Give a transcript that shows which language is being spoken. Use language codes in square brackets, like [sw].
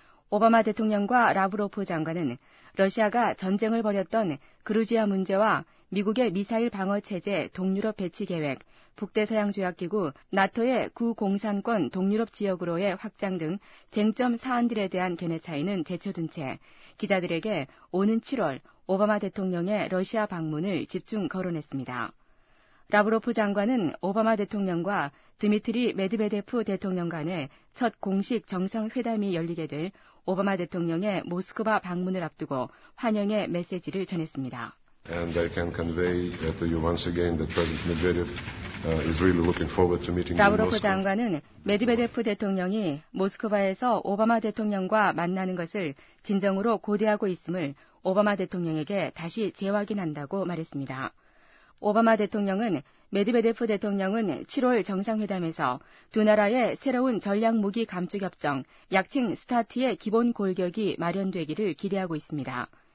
[ko] 오바마 대통령과 라브로프 장관은 러시아가 전쟁을 벌였던 그루지아 문제와 미국의 미사일 방어 체제 동유럽 배치 계획, 북대서양 조약기구, 나토의 구공산권 동유럽 지역으로의 확장 등 쟁점 사안들에 대한 견해 차이는 제쳐둔 채 기자들에게 오는 7월 오바마 대통령의 러시아 방문을 집중 거론했습니다. 라브로프 장관은 오바마 대통령과 드미트리 메드베데프 대통령 간의 첫 공식 정상회담이 열리게 될 오바마 대통령의 모스크바 방문을 앞두고 환영의 메시지를 전했습니다. [en] And I can convey to you once again that President Medvedev is really looking forward to meeting you in Moscow. [ko] 라브로프 장관은 메드베데프 대통령이 모스크바에서 오바마 대통령과 만나는 것을 진정으로 고대하고 있음을 오바마 대통령에게 다시 재확인한다고 말했습니다. 오바마 대통령은 메드베데프 대통령은 7월 정상회담에서 두 나라의 새로운 전략무기 감축협정, 약칭 스타트의 기본 골격이 마련되기를 기대하고 있습니다.